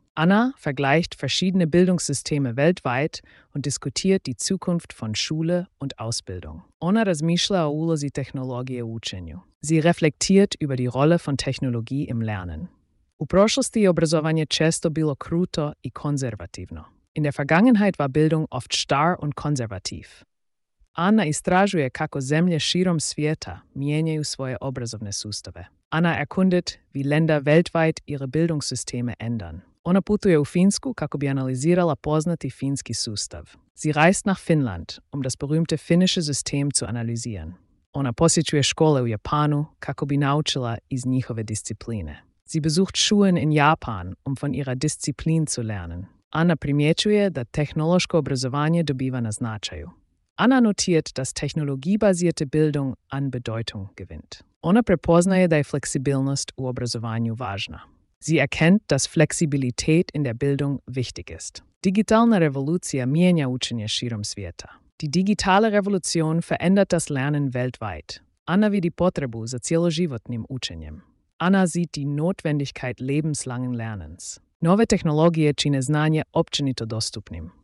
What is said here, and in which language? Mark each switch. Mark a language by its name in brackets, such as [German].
[German] Anna vergleicht verschiedene Bildungssysteme weltweit und diskutiert die Zukunft von Schule und Ausbildung. [Croatian] Ona razmišlja o ulozi tehnologije u učenju. [German] Sie reflektiert über die Rolle von Technologie im Lernen. [Croatian] U prošlosti je obrazovanje često bilo kruto i konzervativno. [German] In der Vergangenheit war Bildung oft starr und konservativ. [Croatian] Anna istražuje kako zemlje širom svijeta mijenjaju svoje obrazovne sustave. [German] Anna erkundet, wie Länder weltweit ihre Bildungssysteme ändern. [Croatian] Ona putuje u Finsku kako bi analizirala poznati finski sustav. [German] Sie reist nach Finnland, um das berühmte finnische System zu analysieren. [Croatian] Ona posjećuje škole u Japanu kako bi naučila iz njihove discipline. [German] Sie besucht Schulen in Japan, um von ihrer Disziplin zu lernen. [Croatian] Anna primjećuje da tehnološko obrazovanje dobiva na značaju. [German] Anna notiert, dass technologiebasierte Bildung an Bedeutung gewinnt. [Croatian] Ona prepoznaje da je fleksibilnost u obrazovanju važna. [German] Sie erkennt, dass Flexibilität in der Bildung wichtig ist. [Croatian] Digitalna revolucija mijenja učenje širom svijeta. [German] Die digitale Revolution verändert das Lernen weltweit. [Croatian] Ana vidi potrebu za cjeloživotnim učenjem. [German] Ana sieht die Notwendigkeit lebenslangen Lernens. [Croatian] Nove tehnologije čine znanje općenito dostupnim.